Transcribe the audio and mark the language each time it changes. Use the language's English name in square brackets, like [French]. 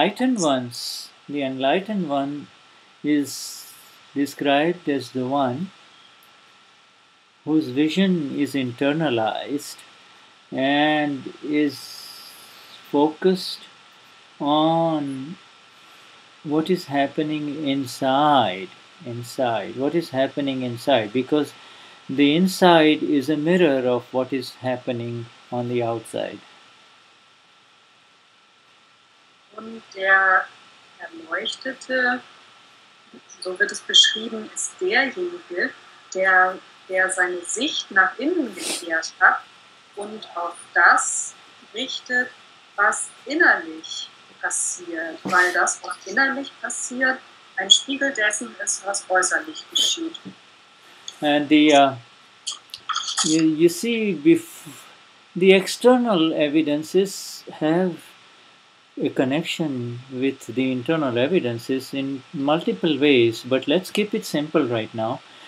[English] The enlightened one is described as the one whose vision is internalized and is focused on what is happening inside, what is happening inside, because the inside is a mirror of what is happening on the outside. [German] Erleuchtete, so wird es beschrieben, ist derjenige, der seine Sicht nach innen gekehrt hat und auf das richtet, was innerlich passiert, weil das, was innerlich passiert, ein Spiegel dessen ist, was äußerlich geschieht. [English] And the external evidences have a connection with the internal evidences in multiple ways, but let's keep it simple right now.